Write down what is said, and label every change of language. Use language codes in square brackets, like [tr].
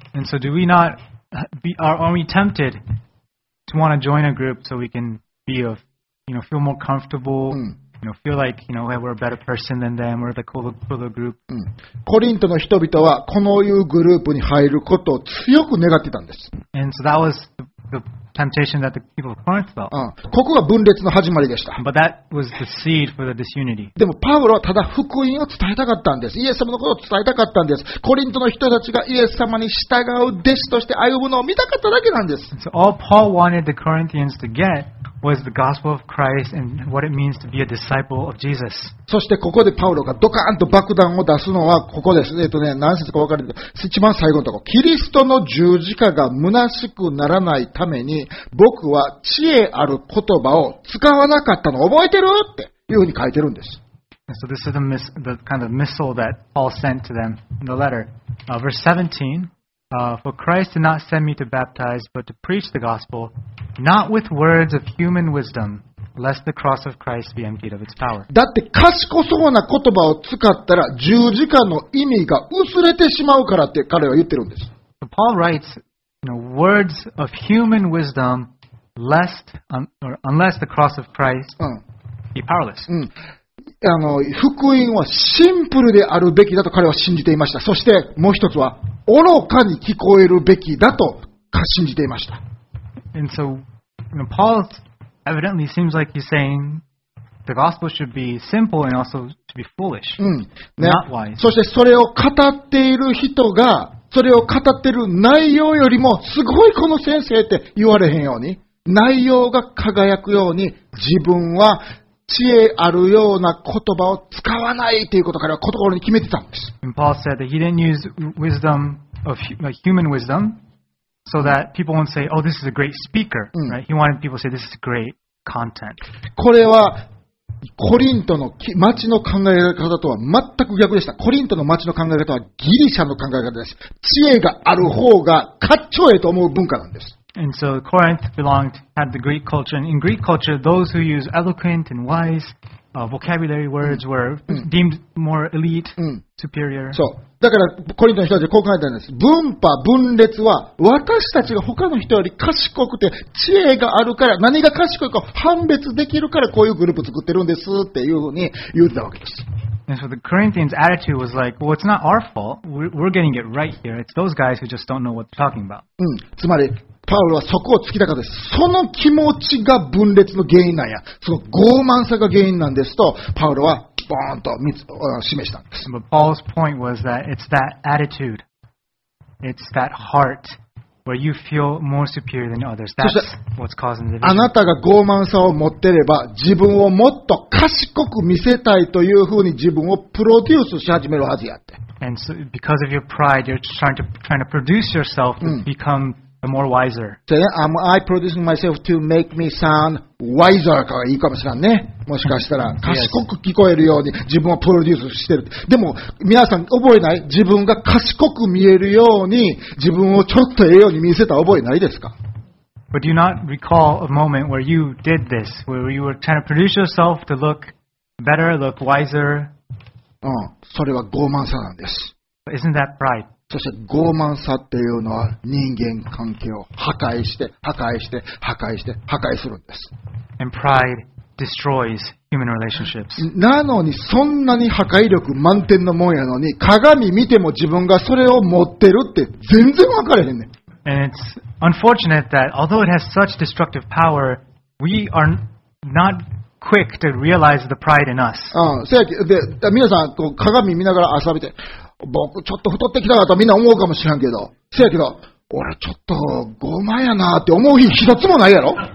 [en] And so do we not are we tempted to want to join a group so we can be of, you know, feel more comfortable? You know, feel like, you know, we're a better person than them. We're the cooler group. [ja] コリントの人々はこのいうグループに入ることを強く願ってたんです。 [en] And so that was the temptation that the people of Corinth felt. [ja] ここが分裂の始まりでした。 [en] But that was the seed for the disunity. [ja] でもパウロはただ福音を伝えたかったんです。イエス様のことを伝えたかったんです。コリントの人たちがイエス様に従う弟子として歩むのを見たかっただけなんです。 [en] So all Paul wanted the Corinthians to get was the gospel of Christ and what it means to be a disciple of Jesus. [ja] そしてここでパウロがドカーンと爆弾を出すのはここです。何節か分かるんですが、一番最後のところ。キリストの十字架が虚しくならないために、僕は知恵ある言葉を使わなかったの覚えてる? っていうふうに書いてるんです。 [en] So this is the kind of missile that Paul sent to them in the letter. Verse 17, For Christ did not send me to baptize, but to preach the gospel, not with words of human wisdom, lest the cross of Christ be emptied of its power. [ja] だって賢そうな言葉を使ったら十字架の意味が薄れてしまうからって彼は言ってるんです。 [en] So、Paul writes, you know, words of human wisdom, lest, or unless the cross of Christ be powerless.、 [ja] うん福音はシンプルであるべきだと彼は信じていました。そしてもう一つは愚かに聞こえるべきだと信じていました。 [en] And so, Paul evidently seems like he's saying the gospel should be simple and also to be foolish, not wise. [ja] そしてそれを語っている人がそれを語っている内容よりもすごいこの先生って言われへんように内容が輝くように自分は知恵あるような言葉を使わないということから心に決めてたんです。 [en] And Paul said that he didn't use wisdom of human wisdom, so that people won't say, "Oh, this is a great speaker." Right? He wanted people to say, "This is great content." [ja] これはコリントの町の考え方とは全く逆でした。コリントの町の考え方はギリシャの考え方です。知恵がある方がかっちょえと思う文化なんです。 [en] And so Corinth belonged had the Greek culture, and in Greek culture, those who use eloquent and wise vocabulary words were deemed more elite, superior. [ja] そう。だからコリントの人たちはこう考えたんです。分派分裂は私たちが他の人より賢くて知恵があるから何が賢いか判別できるからこういうグループ作ってるんですっていうふうに言ってたわけです。 [en] And so the Corinthians' attitude was like, well, it's not our fault. We're getting it right here. It's those guys who just don't know what they're talking about. [ja] つまり、パウロはそこを突きたかったです。その気持ちが分裂の原因なんや。その傲慢さが原因なんですと、パウロはボーンと示したんです。 [en] But Paul's point was that it's that attitude. It's that heart where you feel more superior than others. That's what's causing the division. [ja] あなたが傲慢さを持ってれば、自分をもっと賢く見せたいというふうに自分をプロデュースし始めるはずやって。 [en] And so because of your pride, you're trying to produce yourself to become more wiser. So, am I producing myself to make me sound wiser? [ja] かいいかもしれないね。もしかしたら賢く聞こえるように自分をプロデュースしてる。でも皆さん覚えない？自分が賢く見えるように自分をちょっとええように見せた覚えないですか？ [en] But do you not recall a moment where you did this, where you were trying to produce yourself to look better, look wiser? [ja] それは傲慢さなんです。 [en] But isn't that pride? [ja] そして傲慢さっていうのは人間関係を破壊して破壊して破壊して破壊するんです。 [en] And pride destroys human relationships. [ja] なのにそんなに破壊力満点のもんやのに鏡見ても自分がそれを持ってるって全然分かれへんねん。 [en] And it's unfortunate that although it has such destructive power, we are not quick to realize the pride in us. [ja] で皆さんこう鏡見ながら朝見て。僕ちょっと太ってきたなとみんな思うかもしれんけど、せやけど、俺ちょっと傲慢やなって思う日一つもないやろ。